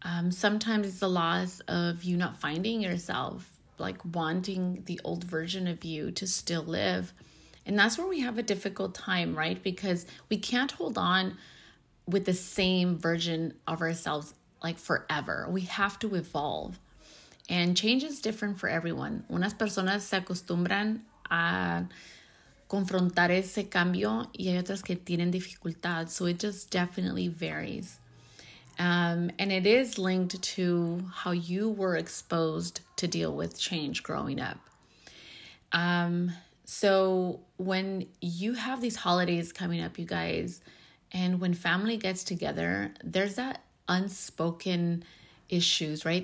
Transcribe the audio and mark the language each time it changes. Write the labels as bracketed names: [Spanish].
[English] Sometimes it's the loss of you not finding yourself, like wanting the old version of you to still live. And that's where we have a difficult time, right? Because we can't hold on with the same version of ourselves like forever. We have to evolve. And change is different for everyone. [Spanish] Unas personas se acostumbran a confrontar ese cambio y hay otras que tienen dificultad. [English] So it just definitely varies. And it is linked to how you were exposed to deal with change growing up. So when you have these holidays coming up, you guys, and when family gets together, there's that unspoken issues, right?